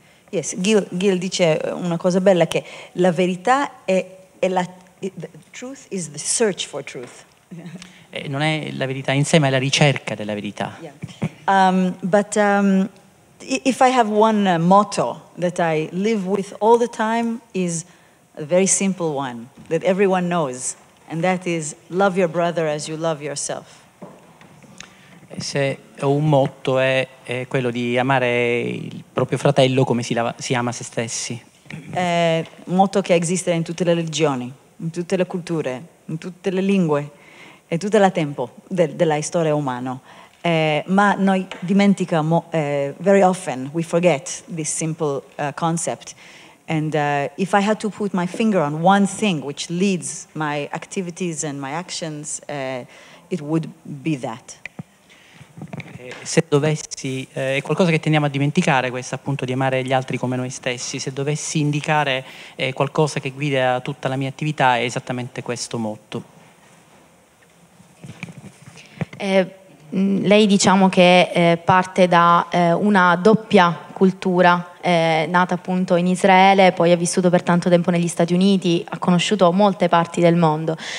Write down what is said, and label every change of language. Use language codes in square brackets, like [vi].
[it] Yes, Gil dice una cosa bella, che la verità è la... [en] The truth is the search for truth. [it] Non è la verità in sé, ma è la ricerca della verità. [en] Yeah. But if I have one motto that I live with all the time is a very simple one that everyone knows, and that is love your brother as you love yourself. [it] Se un motto è quello di amare il proprio fratello come si ama se stessi. È un motto che esiste in tutte le religioni, in tutte le culture, in tutte le lingue e tutto il tempo della storia umana. Ma noi dimentichiamo, [en] very often we forget this simple concept. And if I had to put my finger on one thing which leads my activities and my actions, it would be that. [it] Se dovessi, è qualcosa che tendiamo a dimenticare, questo appunto di amare gli altri come noi stessi. Se dovessi indicare qualcosa che guida tutta la mia attività, è esattamente questo motto. Lei diciamo che parte da una doppia cultura, nata appunto in Israele, poi ha vissuto per tanto tempo negli Stati Uniti, ha conosciuto molte parti del mondo.